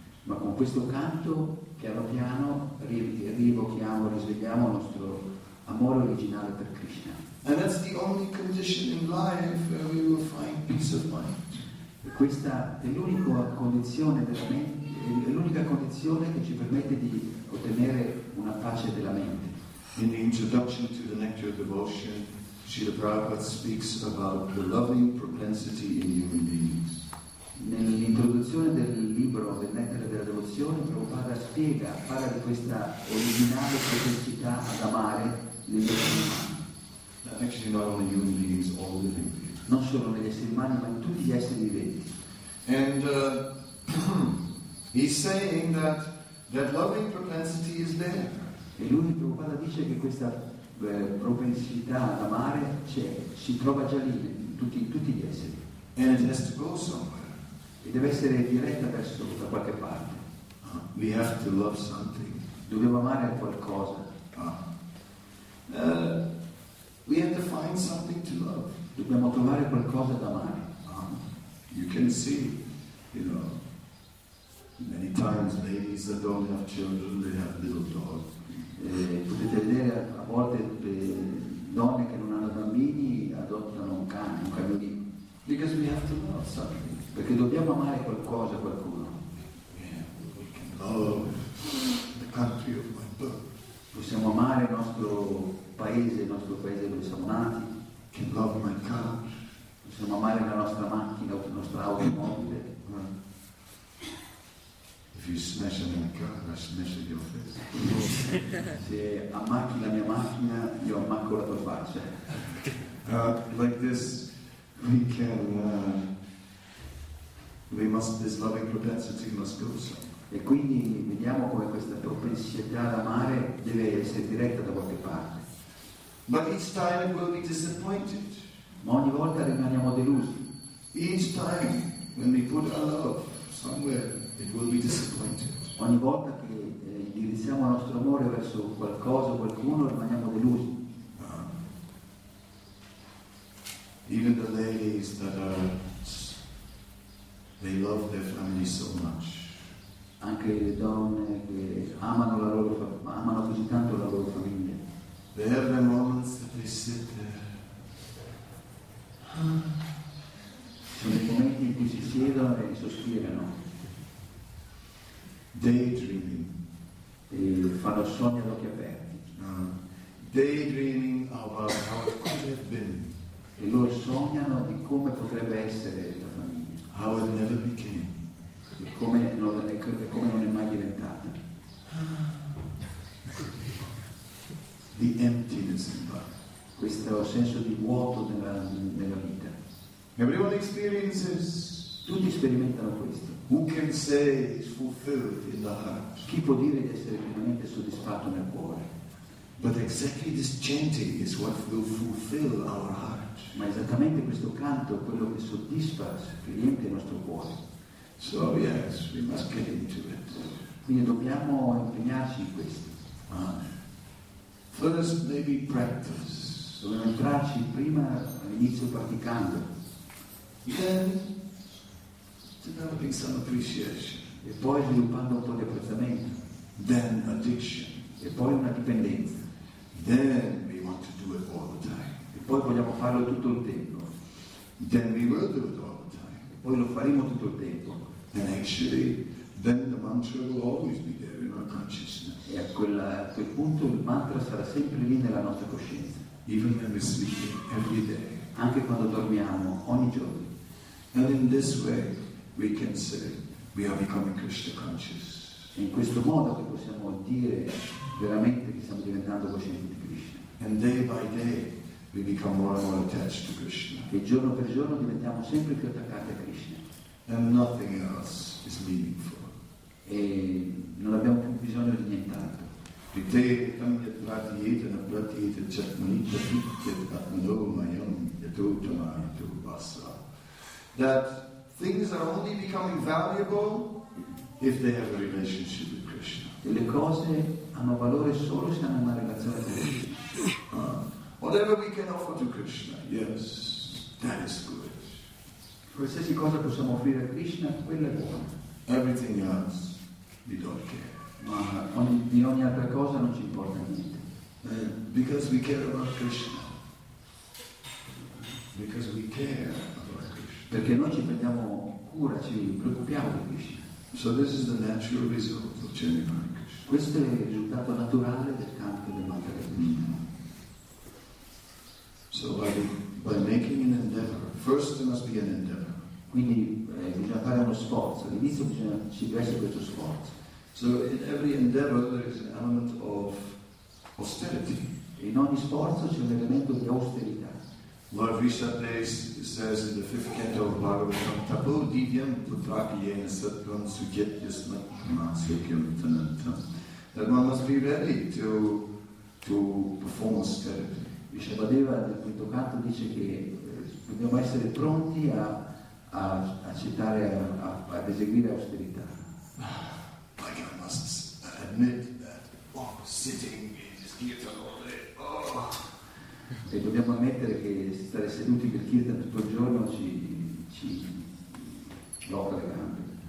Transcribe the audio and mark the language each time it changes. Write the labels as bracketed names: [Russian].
[Italian] Ma con questo canto, piano piano, rievochiamo, risvegliamo il nostro amore originale per Krishna. [English] And that's the only condition in life where we will find peace of mind. [Italian] E questa è l'unica condizione della mente, è l'unica condizione che ci permette di ottenere una pace della mente. [English] In the introduction to the Nectar of Devotion, Srila Prabhupada speaks about the loving propensity in human beings. [Italian] Nell'introduzione del libro del Nectar della Devozione, Prabhupada spiega, parla di questa originale propensità ad amare negli esseri umani. [English] Actually, not only human beings, all living beings. [Italian] Non solo negli esseri umani, ma in tutti gli esseri viventi. [English] And he's saying that loving propensity is there. [Italian] E lui, Prabhupada, dice che questa propensità ad amare c'è, si trova già lì, in tutti gli esseri. [English] And it has to go somewhere. [Italian] E deve essere diretta verso da qualche parte. [English] We have to love something. [Italian] Dobbiamo amare qualcosa. [English] We have to find something to love. [Italian] Dobbiamo trovare qualcosa da amare. [English] You can see, Many times ladies that don't have children, they have little dogs. [Italian] Potete vedere a volte donne che non hanno bambini adottano un cane, un cagnolino. [English] Because we have to love something. [Italian] Perché dobbiamo amare qualcosa, qualcuno. [English] Yeah, we can love the country of my birth. [Italian] Possiamo amare il nostro paese dove siamo nati. [English] Can love my car. [Italian] Possiamo amare la nostra macchina, la nostra automobile. [English] If you smash my car, I smash your face. [Italian] Se ammacchi la mia macchina, io ammacco la tua faccia. [English] Like this, we can. We must. This loving propensity must go somewhere. [Italian] E quindi vediamo come questa propensità ad amare deve essere diretta da qualche parte. [English] But each time we'll be disappointed. [Italian] Ma ogni volta rimaniamo delusi. [English] Each time when we put our love somewhere, it will be disappointed. [Italian] Ogni volta che indirizziamo il nostro amore verso qualcosa o qualcuno, rimaniamo delusi. [English] Even the ladies that they love their family so much. [Italian] Anche le donne che amano la loro famiglia, amano così tanto la loro famiglia. [English] They have the moments that they sit there. [Italian] Sono i momenti in cui si siedono e sospirano. [English] Daydreaming. [Italian] E fanno sogni ad occhi aperti. [English] Daydreaming about how it could have been. [Italian] E loro sognano di come potrebbe essere la famiglia. [English] How it never became. [Italian] Come non è mai diventata. [English] The emptiness in life. [Italian] Questo senso di vuoto nella vita. [English] Everyone experiences. [Italian] Tutti sperimentano questo. [English] Who can say is fulfilled in the heart? [Italian] Chi può dire di essere pienamente soddisfatto nel cuore? [English] But exactly this chanting is what will fulfill our heart. [Italian] Ma esattamente questo canto è quello che soddisfa pienamente il nostro cuore. [English] So yes, we must get into it. [Italian] Quindi dobbiamo impegnarci in questo. [English] First, maybe practice. [Italian] Dobbiamo entrarci prima all'inizio praticando. [English] Then, developing some appreciation. [Italian] E poi sviluppando un po' di apprezzamento. [English] Then addiction. [Italian] E poi una dipendenza. [English] Then we want to do it all the time. [Italian] E poi vogliamo farlo tutto il tempo. [English] Then we will do it all the time. [Italian] E poi lo faremo tutto il tempo. [English] And actually, then the mantra will always be there in our consciousness. [Italian] E a quel punto il mantra sarà sempre lì nella nostra coscienza. [English] Even when we sleep every day. [Italian] Anche quando dormiamo, ogni giorno. [English] And in this way, we can say we are becoming Krishna conscious. [Italian] E in questo modo che possiamo dire veramente che stiamo diventando coscienti di Krishna. [English] And day by day, we become more and more attached to Krishna. [Italian] E giorno per giorno diventiamo sempre più attaccati a Krishna. [English] And nothing else is meaningful. [Italian] E non abbiamo più bisogno di nient'altro. [English] That things are only becoming valuable if they have a relationship with Krishna. [Italian] E le cose hanno valore solo se hanno una relazione con Krishna. [English] Whatever we can offer to Krishna, yes, that is good. [Italian] Qualsiasi cosa possiamo offrire a Krishna, quello è buono. [English] Everything else, we don't care. [Italian] Ma di ogni altra cosa non ci importa niente. [English] Because we care about Krishna. Because we care about Krishna. [Italian] Perché noi ci prendiamo cura, ci preoccupiamo di Krishna. [English] So this is the natural result of chanting Hare Krishna. [Italian] Questo è il risultato naturale del canto del mantra di Krishna. [English] So by making an endeavor, first there must be an endeavor. [Italian] Quindi bisogna fare uno sforzo. All'inizio bisogna ci deve questo sforzo. [English] So in every endeavor there is an element of austerity. [Italian] In ogni sforzo c'è un elemento di austerità. [English] Lord Vishnu says in the fifth canto of Bhagavatam, [Sanskrit] "Tapo divyam putrakiyena satvam sujetyasma mahasyakyam tanantam." [English] That one must be ready to perform austerity. [Italian] Vishabhadeva nel quinto canto dice che dobbiamo essere pronti a accettare, ad eseguire austerità. [English] Like I must admit that, sitting is kirtanore. [Italian] E dobbiamo ammettere che stare seduti per kirtan tutto il giorno ci blocca le gambe.